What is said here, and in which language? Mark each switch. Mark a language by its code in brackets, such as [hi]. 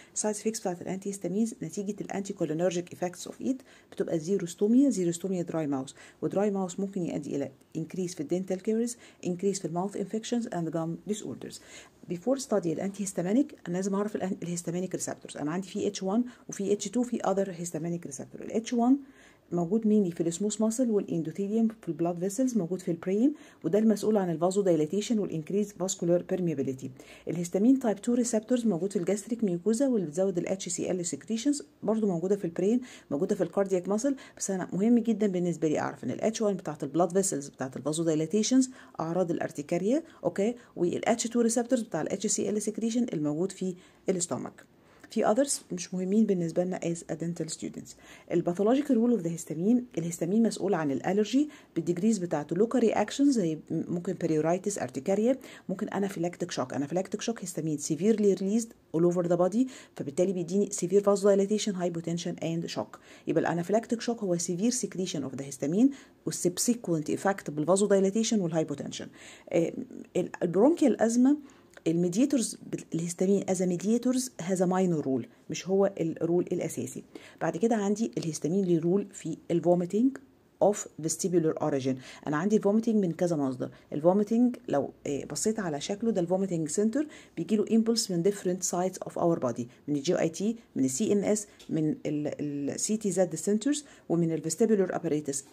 [en] Side effects بتاعت antihistamines نتيجة anticholinergic effects of it بتبقى xerostomia dry mouth. Dry mouth [ar] ممكن يؤدي إلى [en] increase في dental caries, increase في mouth infections and gum disorders. Before study antihistaminic, [ar] أنا لازم أعرف [en] الهستامينيك receptors. [ar] أنا عندي في H1 وفي H2 في [en] other histaminic receptors. [ar] H1 موجود مني في السموث ماسل والاندوثيليوم في البلاد فيسلز, موجود في البرين وده المسؤول عن الفازو دايلاتيشن والانكريز فاسكولار بيرميابيليتي. الهستامين تايب 2 ريسبتورز موجود في الجاستريك ميوكوزا واللي بتزود الاتش سي ال سيكريشنز, برضو موجوده في البرين, موجوده في الكاردياك ماسل. بس انا مهم جدا بالنسبه لي اعرف ان الاتش 1 بتاعه البلاد فيسلز بتاعه الفازو دايلاتيشنز اعراض الارتكاريا, اوكي, والاتش 2 ريسبتورز بتاع الاتش سي ال سيكريشن الموجود في الاستومك. في others مش مهمين بالنسبة لنا [en] as a dental students. الباثولوجيكال role of the histamine, الهيستامين مسؤول عن الالرجي بالديجريز بتاعته. لوكال رياكشنز زي ممكن بريورايتس, ارتكاريا, ممكن anaphylactic shock. Anaphylactic shock histamine severely released all over the body, فبالتالي بيديني severe vasodilatation, hypotension and shock. [ar] يبقى [en] الانافيلكتيك شوك هو severe secretion of the histamine والsubsequent effect بالvasodilatation والhypotension. البرونكيال ازمة الميديتورز الهستامين as a mediators has a minor role, مش هو الرول الأساسي. بعد كده عندي الهستامين لي رول في الفوميتينج of vestibular origin. أنا عندي الفوميتينج من كذا مصدر. الفوميتينج لو بصيت على شكله ده الفوميتينج سنتر, بيجي له impulse من different sites of our body, من الجي اي تي, من السي ان اس, من السي تي زد سنترز, ومن الفيستيبولر apparatus.